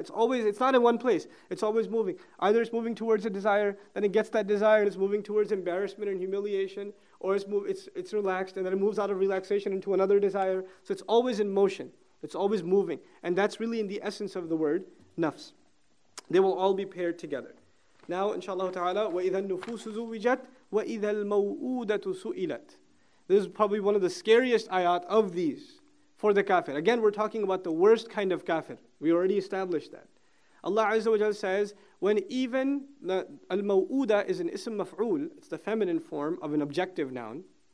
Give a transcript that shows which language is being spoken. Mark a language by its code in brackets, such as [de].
[en] It's not in one place. It's always moving. Either it's moving towards a desire, then it gets that desire, and it's moving towards embarrassment and humiliation, or it's relaxed, and then it moves out of relaxation into another desire. So it's always in motion. It's always moving. And that's really in the essence of the word, nafs. They will all be paired together. [ar] Now, inshallah ta'ala, وَإِذَا النُّفُوسُ زُوِّجَتْ وَإِذَا الْمَوْءُودَةُ سُئِلَتْ. [en] This is probably one of the scariest ayat of these for the kafir. Again, we're talking about the worst kind of kafir. We already established that. Allah Azza wa Jalla says, when even al-maw'uda is an ism maf'ul, it's the feminine form of an objective noun.